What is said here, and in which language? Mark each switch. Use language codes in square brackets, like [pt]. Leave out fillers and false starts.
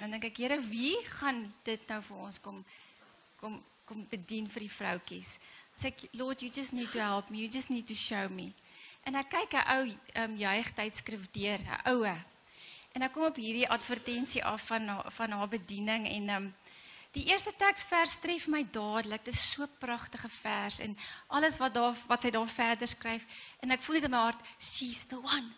[af] Dan dink ek, Here, wie gaan dit nou vir ons kom bedien vir die vroutjies? Sê ek, [en] Lord, you just need to help me. You just need to show me. [af] En ek kyk 'n ou jeugtydskrif deur, 'n oue. En ek kom op hierdie advertensie af van haar bediening en die eerste teksvers tref my dadelik. Dit is so 'n pragtige vers en alles wat sy daar verder skryf en ek voel dit in my hart, [en] she's the one.